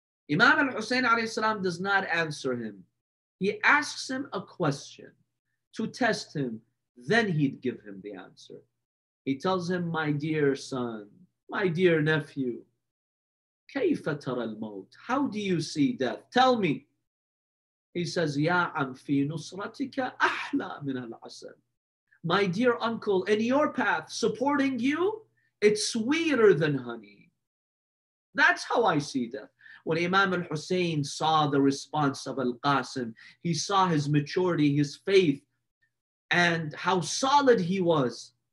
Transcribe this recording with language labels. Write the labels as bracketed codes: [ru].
[en] Imam al-Hussein alayhi salam does not answer him. He asks him a question to test him. Then he'd give him the answer. He tells him, my dear son, my dear nephew, [ar] كَيْفَ تَرَى الْمَوْتِ? [en] How do you see death? Tell me. He says, [ar] يَا عَمْ فِي نُصْرَتِكَ أَحْلَى مِنَ الْعَسَلِ. [en] My dear uncle, in your path, supporting you, it's sweeter than honey. That's how I see death. When Imam al-Hussein saw the response of al-Qasim, he saw his maturity, his faith, and how solid he was.